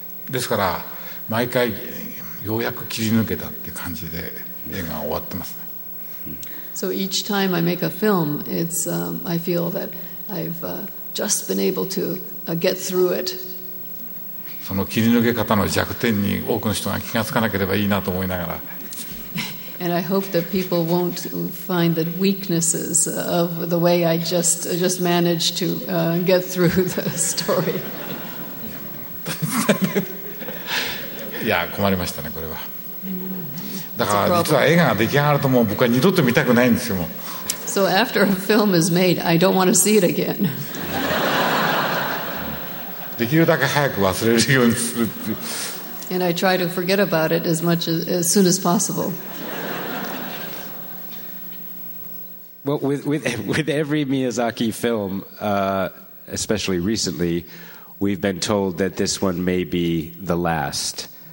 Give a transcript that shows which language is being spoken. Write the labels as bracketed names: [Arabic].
[Japanese] ですから毎回ようやく切り抜けたっていう感じで映画は終わってますね。 [English] So each time I make a film, it's I feel that I've just been able to get through it. [Japanese] その切り抜け方の弱点に多くの人が気がつかなければいいなと思いながら。 [English] And I hope that people won't find the weaknesses of the way I just managed to get through the story. [Japanese] いや困りましたねこれは。だから実は映画が出来上がるともう僕は二度と見たくないんですよ。もう [English] So after a film is made, I don't want to see it again. [Japanese] できるだけ早く忘れるようにするっていう。 [English] And I try to forget about it as much as soon as possible. Well, with every Miyazaki film, especially recently, we've been told that this one may be the last.